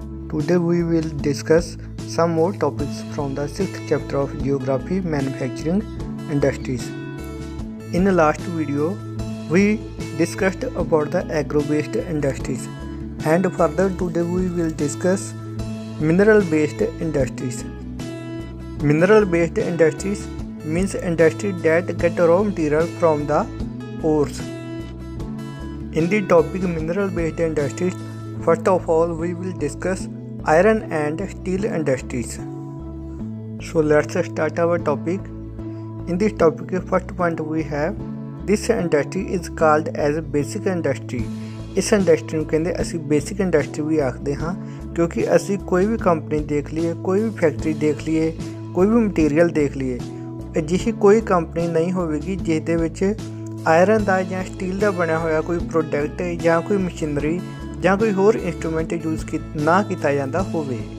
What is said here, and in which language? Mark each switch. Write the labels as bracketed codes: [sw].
[en] Today we will discuss some more topics from the 6th chapter of geography manufacturing industries. In last video we discussed about the agro based industries and further today we will discuss mineral based industries. Mineral based industries means industry that get raw material from the ores. In the topic mineral based industries, first of all we will discuss iron and steel industries. So let's start our topic. In this topic first point we have, this industry is called as basic industry. [pa] ਇਸ industry ਨੂੰ ਕਹਿੰਦੇ ਅਸੀਂ basic industry ਵੀ ਆਖਦੇ ਹਾਂ, ਕਿਉਂਕਿ ਅਸੀਂ ਕੋਈ ਵੀ company ਦੇਖ ਲਈਏ, ਕੋਈ ਵੀ ਫੈਕਟਰੀ ਦੇਖ ਲਈਏ, ਕੋਈ ਵੀ ਮਟੀਰੀਅਲ ਦੇਖ ਲਈਏ, ਅਜਿਹੀ ਕੋਈ ਕੰਪਨੀ ਨਹੀਂ ਹੋਵੇਗੀ ਜਿਹਦੇ ਵਿੱਚ ਆਇਰਨ ਦਾ ਜਾਂ ਸਟੀਲ ਦਾ ਬਣਿਆ ਹੋਇਆ ਕੋਈ ਪ੍ਰੋਡਕਟ ਜਾਂ ਕੋਈ ਮਸ਼ੀਨਰੀ ਜਾਂ ਕੋਈ ਹੋਰ ਇੰਸਟਰੂਮੈਂਟ ਯੂਜ਼ ਨਾ ਕੀਤਾ ਜਾਂਦਾ ਹੋਵੇ।